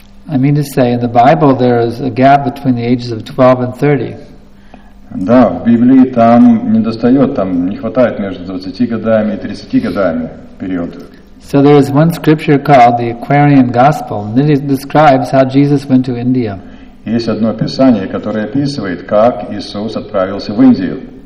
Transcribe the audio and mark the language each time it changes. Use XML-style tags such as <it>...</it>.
<en>I mean to say, in the Bible, there is a gap between the ages of 12 and 30.</en> <ru>Да, в Библии там не достает, там не хватает между 20 годами и 30 годами периода.</ru> <en>So there is one scripture called the Aquarian Gospel, and it describes how Jesus went to India.</en> <ru>Есть одно писание, которое описывает, как Иисус отправился в Индию.</ru>